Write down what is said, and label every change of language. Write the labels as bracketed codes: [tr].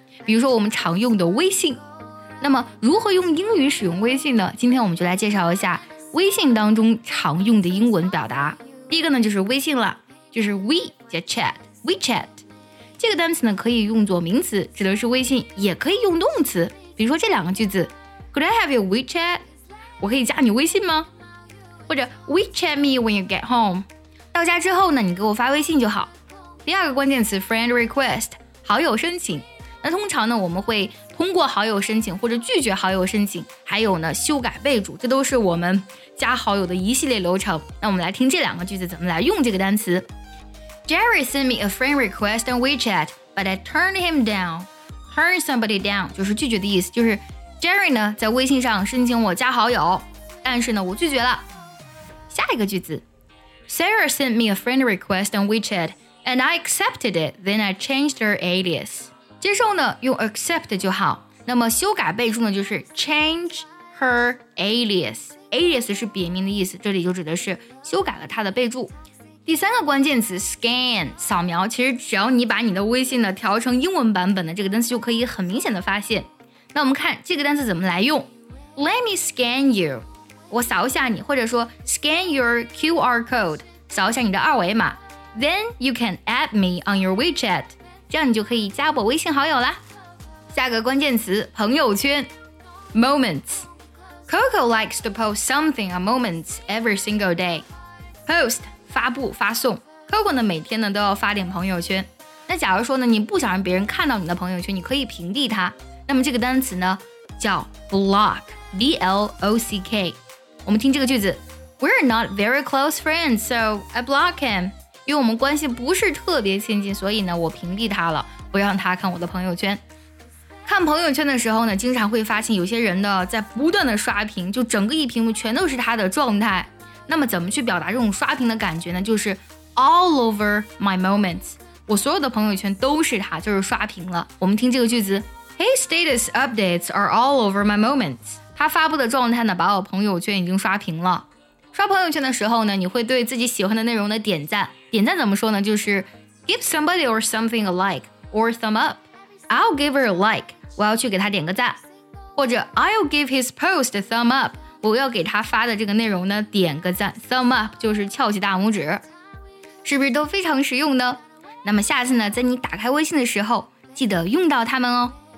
[zh] 比如说我们常用的微信，那么如何用英语使用微信呢？今天我们就来介绍一下微信当中常用的英文表达。第一个呢就是微信了，就是 We 加 Chat，WeChat。这个单词呢可以用作名词，指的是微信，也可以用动词。比如说这两个句子 ， [en] Could I have your WeChat？ [zh] 我可以加你微信吗？或者 [en] WeChat me when you get home。 [zh] 到家之后呢，你给我发微信就好。第二个关键词 friend request， 好友申请。那通常呢，我们会通过好友申请或者拒绝好友申请，还有呢修改备注，这都是我们加好友的一系列流程。那我们来听这两个句子怎么来用这个单词。 [en] Jerry sent me a friend request on WeChat, but I turned him down. [zh] Turn somebody down 就是拒绝的意思，就是 Jerry 呢在微信上申请我加好友，但是呢我拒绝了。下一个句子。 [en] Sarah sent me a friend request on WeChat, and I accepted it. Then I changed her alias. [zh] 接受呢，用 accept 就好。那么修改备注呢，就是 change her alias. Alias 是别名的意思，这里就指的是修改了她的备注。第三个关键词 scan 扫描，其实只要你把你的微信呢调成英文版本的这个单词，就可以很明显的发现。那我们看这个单词怎么来用 ， [en] Let me scan you. [zh] 我扫一下你，或者说 [en] scan your QR code， [zh] 扫一下你的二维码， [en] then you can add me on your WeChat， [zh] 这样你就可以加我微信好友啦。下个关键词朋友圈 moments， [en] Coco likes to post something on moments every single day， [zh] post 发布发送， Coco 呢每天呢都要发点朋友圈。那假如说呢你不想让别人看到你的朋友圈，你可以屏蔽它，那么这个单词呢叫 block， B-L-O-C-K。我们听这个句子 [en] We're not very close friends, so I block him. [zh] 因为我们关系不是特别亲近，所以呢我屏蔽他了，不让他看我的朋友圈。看朋友圈的时候呢，经常会发现有些人呢在不断的刷屏，就整个一屏幕全都是他的状态。那么怎么去表达这种刷屏的感觉呢？就是 [en] all over my moments， [zh] 我所有的朋友圈都是他，就是刷屏了。我们听这个句子 [en] His status updates are all over my moments， [zh] 他发布的状态呢把我朋友圈已经刷屏了。刷朋友圈的时候呢，你会对自己喜欢的内容的点赞。点赞怎么说呢？ [en] 就是 give somebody or something a like or thumb up. I'll give her a like， [zh] 我要去给他点个赞。或者 [en] I'll give his post a thumb up， [zh] 我要给他发的这个内容呢点个赞。 thumb up 就是翘起大拇指。是不是都非常实用呢？那么下次呢在你打开微信的时候记得用到它们哦。